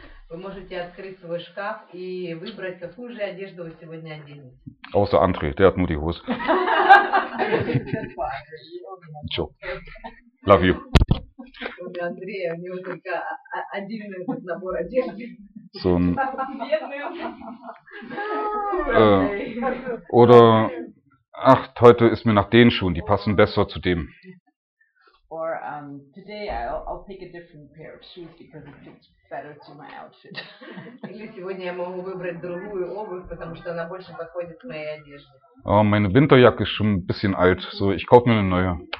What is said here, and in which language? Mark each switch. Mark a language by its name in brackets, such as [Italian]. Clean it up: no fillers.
[Russian] Вы можете открыть свой шкаф и выбрать, какую же одежду вы сегодня оденете. [German] Außer André, der hat nur die Hose. [English] Чо. Love you. [Russian] Кроме Андрея, у него только один набор одежды. [German] So ein, oder ach, heute ist mir nach den Schuhen, die passen besser zu dem. [English] Or today I'll pick a different pair of shoes because it fits better to my outfit. [Russian] Или сегодня я могу выбрать другую обувь, потому что она больше подходит моей одежде. [German] Oh, meine Winterjacke ist schon ein bisschen alt, so ich kaufe mir eine neue.